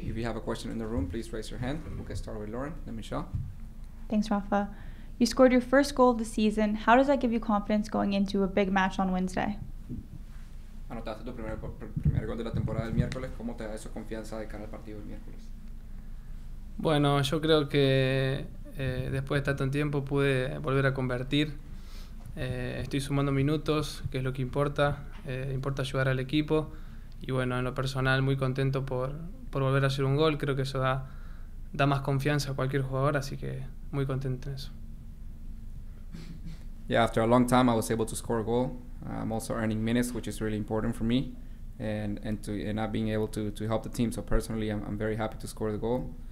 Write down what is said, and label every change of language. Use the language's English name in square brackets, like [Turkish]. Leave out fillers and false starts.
[English] If you have a question in the room, please raise your hand. We'll get started with Lauren, then Michelle. Thanks, Rafa. You scored your first goal of the season. How does that give you confidence going into a big match on Wednesday? [Spanish] Anotaste tu primer gol de la temporada el miércoles. ¿Cómo te da esa confianza de cara al partido el miércoles? Bueno, yo creo que después de tanto tiempo pude volver a convertir. Estoy sumando minutos, que es lo que importa. Importa ayudar al equipo. Y bueno, en lo personal, muy contento por volver a hacer un gol. Creo que eso da más confianza a cualquier jugador, así que muy contento en eso. [English] Yeah, after a long time, I was able to score a goal. I'm also earning minutes, which is really important for me, and not being able to help the team. So personally, I'm very happy to score the goal.